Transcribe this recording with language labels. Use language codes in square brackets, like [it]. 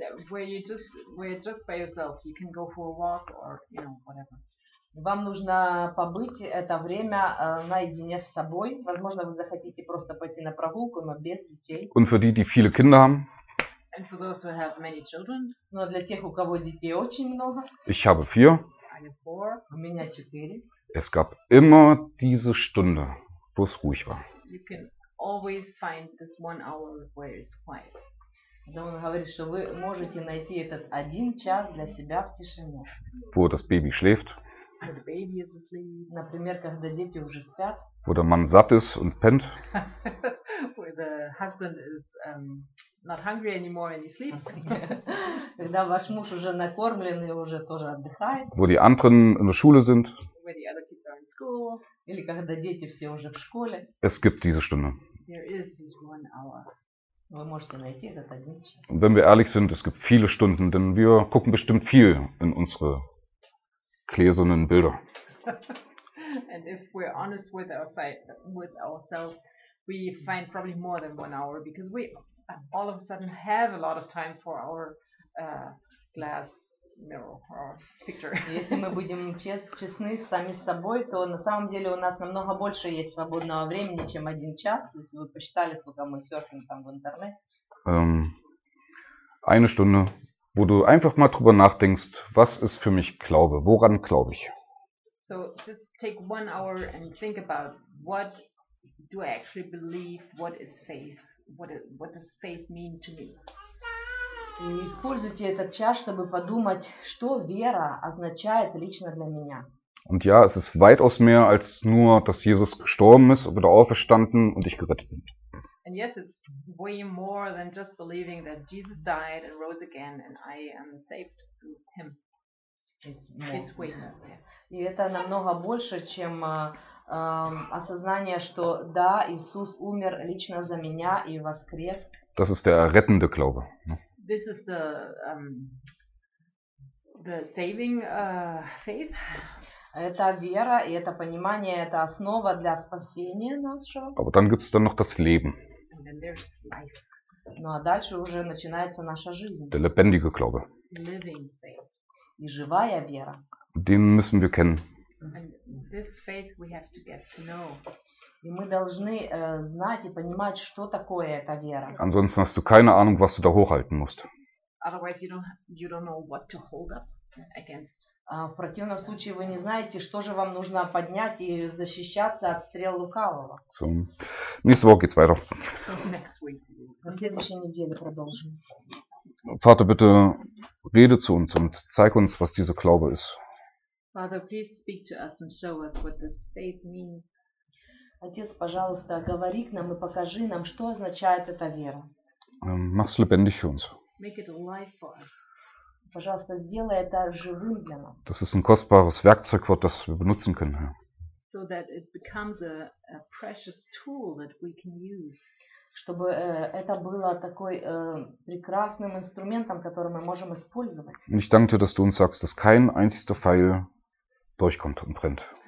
[en] Where you're just by yourself. You can go for a walk or you know whatever. [ru] Вам нужно побыть это время наедине с собой. Возможно, вы захотите просто пойти на прогулку, но без детей. [de] Und für die, die viele Kinder haben. [en] And for those who have many children. [ru] Но для тех, у кого детей очень много. [de] Ich habe 4. [en] I have 4. [ru] У меня 4. [de] Es gab immer diese Stunde, wo es ruhig war. [en] You can always find this one hour where it's quiet. [ru] Да, он говорит, что вы можете найти этот один час для себя в тишине. [de] Wo das Baby schläft. [en] The baby is asleep. [ru] Например, когда дети уже спят. [de] Wo der Mann satt ist und pennt. [en] Where the husband is not hungry anymore and he sleeps. [ru] Когда ваш муж уже накормлен и уже тоже отдыхает. [de] Wo die anderen in der Schule sind. [en] Where the other kids are in school. [ru] Или когда дети все уже в школе. [de] Es gibt diese Stunde. [en] There is this one hour. [de] Und wenn wir ehrlich sind, es gibt viele Stunden, denn wir gucken bestimmt viel in unsere gläsernen Bilder. [en] And if we're honest with ourselves, we find probably more than 1 hour, because we all of a sudden have a lot of time for our glass mirror or picture. [ru] Если мы будем честны сами с собой, то на самом деле у нас намного больше есть свободного времени, чем один час. Если вы посчитали, сколько мы серфим там в интернете. [de] Eine Stunde, wo du einfach mal drüber nachdenkst, was ist für mich Glaube, woran glaube ich? [en] So just take 1 hour and think about what do I actually believe, what is faith, what does faith mean to me? [ru] И используйте этот час, чтобы подумать, что вера означает лично для меня. [de] Und ja, es ist weitaus mehr als nur, dass Jesus gestorben ist, wieder auferstanden und ich gerettet bin. [en] And yes, it's way more than just believing that Jesus died and rose again and I am saved through him. It's way more. [ru] И это намного больше, чем осознание, что да, Иисус умер лично за меня и воскрес. [de] Das ist der rettende Glaube. [en] This is the saving faith. [ru] Это вера и это понимание, это основа для спасения нашего. [de] Aber dann gibt's dann noch das Leben. [en] And then there's life. [ru] Ну а дальше уже начинается наша жизнь. [de] Der lebendige Glaube. [en] Living faith. [ru] И живая вера. [de] Den müssen wir kennen. [en] And this faith we have to get to know. [ru] И мы должны знать и понимать, что такое эта вера. [de] Ansonsten hast du keine Ahnung, was du da hochhalten musst. [en] Otherwise you don't know what to hold up against. [ru] В противном случае вы не знаете, что же вам нужно поднять и защищаться от стрел лукавого. [de] So, nächste Woche geht's weiter. [en] Next week. [ru] На следующей неделе продолжим. [de] Vater, bitte rede zu uns und zeig uns, was dieser Glaube ist. [en] Father, please speak to us and show us what this faith means. [ru] Отец, пожалуйста, говори к нам и покажи нам, что означает эта вера. [de] Mach's lebendig für uns. [en] Make it alive for us. [ru] Пожалуйста, сделай это живым для нас. [de] Das ist ein kostbares Werkzeug, das wir benutzen können, Herr. [en] So that it becomes a precious tool that we can use. [ru] Чтобы это было такой прекрасным инструментом, который мы можем использовать. [de] Und ich danke dir, dass du uns sagst, dass kein einziger Pfeil durchkommt und brennt.